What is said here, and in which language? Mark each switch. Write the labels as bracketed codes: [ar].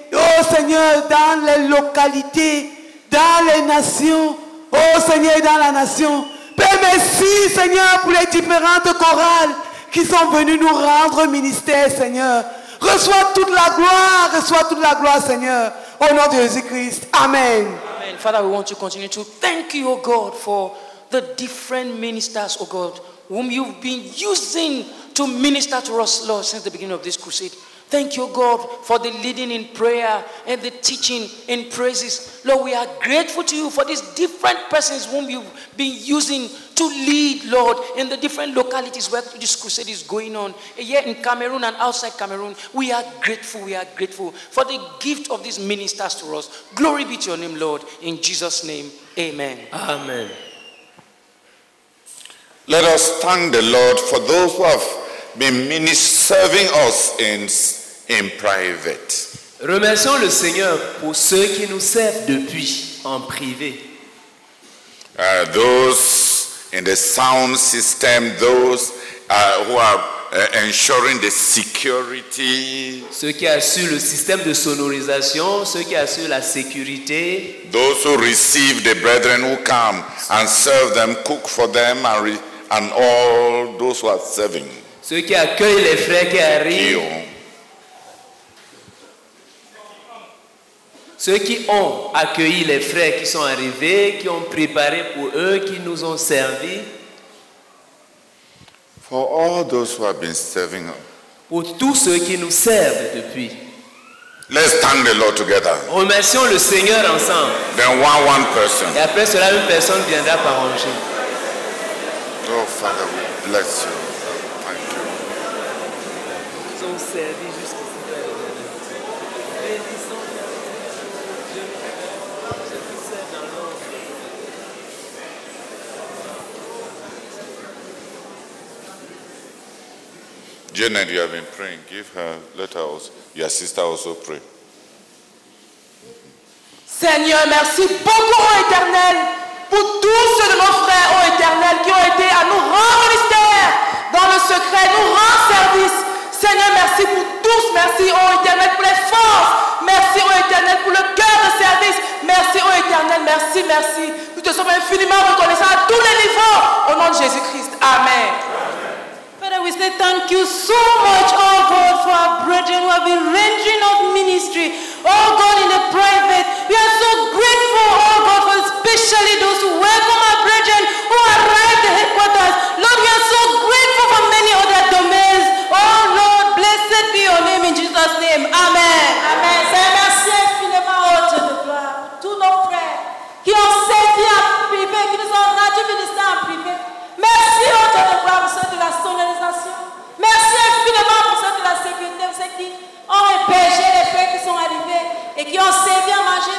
[fr] Oh Seigneur, dans les localités, dans les nations, oh Seigneur, dans la nation. Père, merci, Seigneur, pour les différentes chorales qui sont venues nous rendre ministère, Seigneur. Reçois toute la gloire, reçois toute la gloire, Seigneur. Au nom de Jésus-Christ. Amen. Amen. [en] Father, we want to continue to thank you, oh God, for the different ministers, oh God, whom you've been using to minister to us, Lord, since the beginning of this crusade. Thank you, God, for the leading in prayer and the teaching in praises. Lord, we are grateful to you for these different persons whom you've been using to lead, Lord, in the different localities where this crusade is going on. Here in Cameroon and outside Cameroon, we are grateful, for the gift of these ministers to us. Glory be to your name, Lord. In Jesus' name, amen. Amen. Let us thank the Lord for those who have been serving us in private. [fr] Remercions le Seigneur pour ceux qui nous servent depuis en privé. [en] Those in the sound system, those who are ensuring the security. [fr] Ceux qui assurent le système de sonorisation, ceux qui assurent la sécurité. [en] Those who receive the brethren who come and serve them, cook for them, and all those who are serving. [fr] Ceux qui accueillent les frères qui arrivent. Ceux qui ont accueilli les frères qui sont arrivés, qui ont préparé pour eux, qui nous ont servi. [en] For all those who have been serving us. [fr] Pour tous ceux qui nous servent depuis. [en] Let's thank the Lord together. [fr] Remercions le Seigneur ensemble. [en] Then one person. [fr] Et après cela, une personne viendra par ranger. [en] Oh Father, we bless you. Janet, you have been praying. Give her, let her also, your sister also pray. [fr] Seigneur, merci beaucoup, ô Éternel, pour tous ceux de nos frères, ô Éternel, qui ont aidé à nous rendre ministère dans le secret, nous rendre service. Seigneur, merci pour tous. Merci, ô Éternel, pour les forces. Merci, ô Éternel, pour le cœur de service. Merci, ô Éternel, merci, merci. Nous te sommes infiniment reconnaissants à tous les niveaux. Au nom de Jésus-Christ. Amen. [en] We say thank you so much, oh God, for our brethren who have been ranging up ministry, oh God, in the private. We are so grateful, oh God, for especially those who welcome our brethren who arrived at the headquarters. Lord, we are so grateful for many other domains. Oh Lord, blessed be your name in Jesus' name. Amen. Amen. [fr] Say merci infiniment à tous nos frères qui ont servi en privé, qui nous ont rendu ministère en privé. Merci, ô Dieu de gloire, pour ceux de la sonorisation. Merci infiniment pour ceux de la sécurité, pour ceux qui ont hébergé les frères qui sont arrivés et qui ont servi à manger.